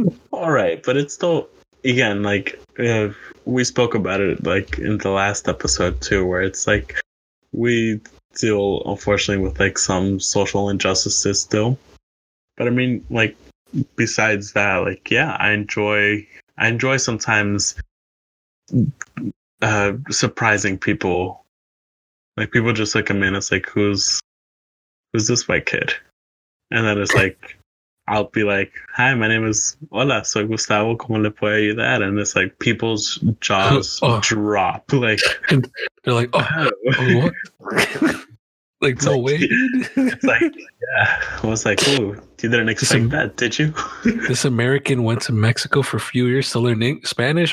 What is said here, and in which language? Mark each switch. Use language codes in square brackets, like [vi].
[en] All right, but it's still, again, like, we spoke about it like in the last episode too, where it's like we deal, unfortunately, with like some social injustices still. But I mean, like, besides that, like, yeah, I enjoy sometimes surprising people. Like, people just look at me and it's like, who's this white kid? And then it's like, I'll be like, hi, my name is [es] Hola, soy Gustavo, ¿cómo le puedo ayudar? [en] And it's like, people's jaws drop. Like, they're like, oh what? Like, no way. It's like, yeah. I was like, ooh, you didn't expect that, did you? This American went to Mexico for a few years to learn Spanish?